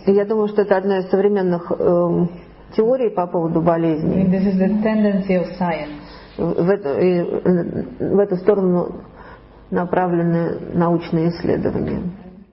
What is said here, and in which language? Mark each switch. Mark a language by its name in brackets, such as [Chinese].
[Russian] Я думаю, что это одна из современных теорий по поводу болезней. [English] I mean, this is the tendency of science. [Russian] В эту сторону направлены научные исследования.